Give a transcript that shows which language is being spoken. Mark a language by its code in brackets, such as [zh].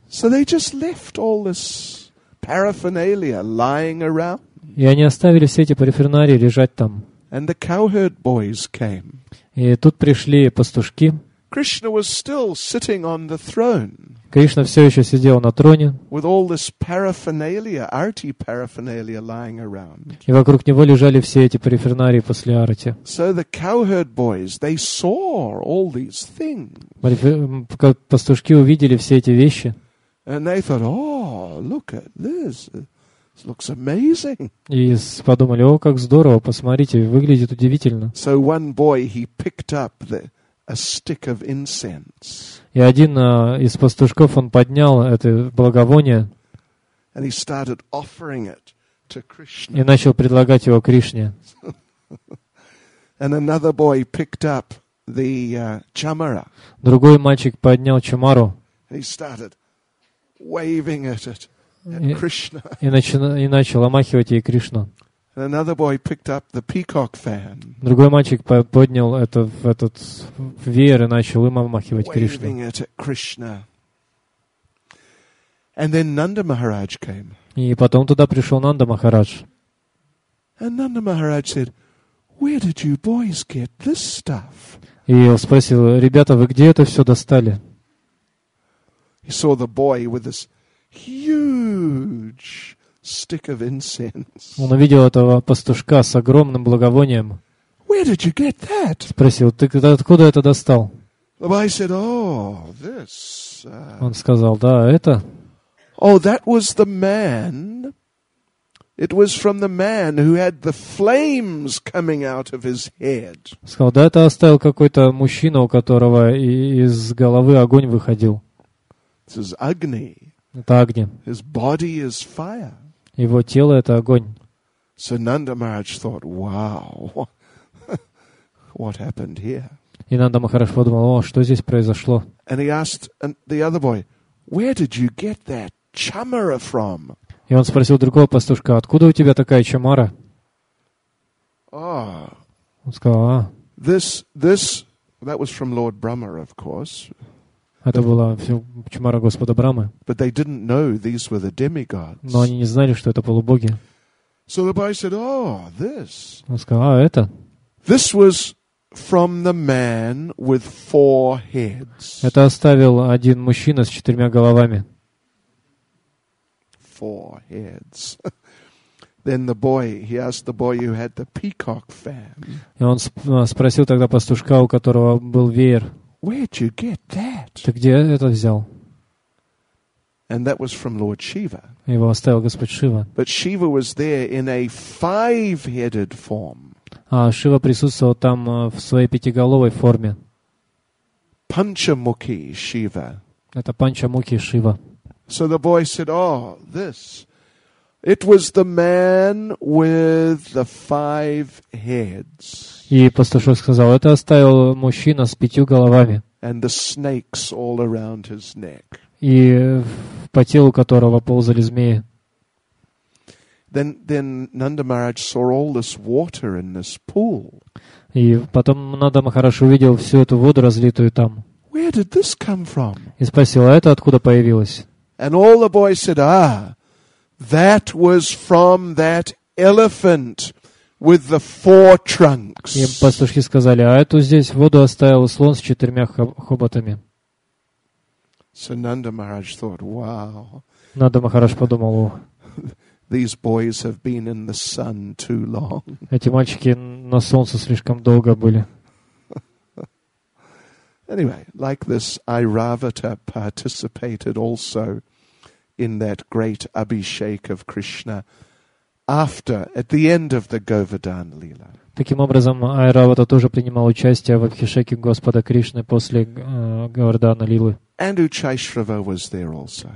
[en] So they just left all this paraphernalia lying around. [ru] И они оставили все эти периферналии лежать там. [en] And the cowherd boys came. [ru] И тут пришли пастушки. [en] Krishna was still sitting on the throne. [ru] Кришна все еще сидел на троне. [en] With all this paraphernalia, arti paraphernalia lying around. [ru] И вокруг него лежали все эти периферналии после арти. [en] So the cowherd boys, they saw all these things. [ru] Пастушки увидели все эти вещи. [en] And they thought, oh, look at this. This looks amazing. [ru] И подумали, о, как здорово, посмотрите, выглядит удивительно. [en] So one boy, he picked up a stick of incense. [ru] И один из пастушков он поднял это благовоние. [en] And he started offering it to Krishna. [ru] И начал предлагать его Кришне. [en] And another boy picked up the chamara. [ru] Другой мальчик поднял чамару. [en] And he started waving it at Krishna. [ru] И начал омахивать ей Кришну. [en] And another boy picked up the peacock fan. [ru] Другой мальчик поднял этот веер и начал им обмахивать Кришну. [en] Waving it at Krishna. And then Nanda Maharaj came. [ru] И потом туда пришел Нанда Махарадж. [en] And Nanda Maharaj said, "Where did you boys get this stuff?" [ru] И он спросил: "Ребята, вы где это все достали?" [en] He saw the boy with this huge stick of incense. [ru] Он увидел этого пастушка с огромным благовонием. [en] Where did you get that? [ru] Спросил, ты откуда это достал? [en] Rabbi said, oh, this. [ru] Он сказал, да, это. [en] Oh, that was the man. It was from the man who had the flames coming out of his head. [ru] Сказал, да, это оставил какой-то мужчина, у которого из головы огонь выходил. [en] This is Agni. [ru] Это Агни. [en] His body is fire. [ru] Его тело это огонь. [en] So Nanda Maharaj thought, wow. What happened here? [ru] И Нанда Махарадж подумал, о, что здесь произошло? [en] And he asked the other boy, where did you get that chamara from? [ru] И он спросил другого пастушка, откуда у тебя такая чамара? [en] Oh. [ru] Он сказал, а. [en] This, that was from Lord Brahma, of course. [ru] Это была чамара Господа Брамы. [en] But they didn't know these were the demigods. [ru] Но они не знали, что это полубоги. [en] So the boy said, oh, this. [ru] Он сказал, а, это. [en] This was from the man with four heads. [ru] Это оставил один мужчина с четырьмя головами. [en] Four heads. Then the boy, he asked the boy who had the peacock fan. [ru] И он спросил тогда пастушка, у которого был веер. [en] Where'd you get that? [ru] Ты где это взял? [en] And that was from Lord Shiva. [ru] Его оставил Господь Шива. [en] But Shiva was there in a five-headed form. [ru] А Шива присутствовал там в своей пятиголовой форме. Панчамуки Шива. Это Панчамуки Шива. [en] So the boy said, oh, this. It was the man with the five heads. [ru] И пастушок сказал, это оставил мужчина с пятью головами. [en] And the snakes all around his neck. [ru] И по телу которого ползали змеи. [en] Then Nanda Maharaj saw all this water in this pool. [ru] И потом Нанда Махарадж увидел всю эту воду разлитую там. [en] Where did this come from? [ru] И спросил, а это откуда появилось? [en] And all the boys said, ah, that was from that elephant with the four trunks. [ru] И пастушки сказали, а эту здесь воду оставил слон с четырьмя хоботами. [en] So Nanda Maharaj thought, wow. [ru] Нанда Махарадж подумал, ох. [en] These boys have been in the sun too long. [ru] Эти мальчики на солнце слишком долго были. [en] Anyway, like this, Airavata participated also in that great Abhishek of Krishna after, at the end of the Govardhan Lila. [ru] Таким образом, Airavata тоже принимал участие в Абхишеке Господа Кришны после Говардхана Лилы. [en] And Uchaishrava was there also.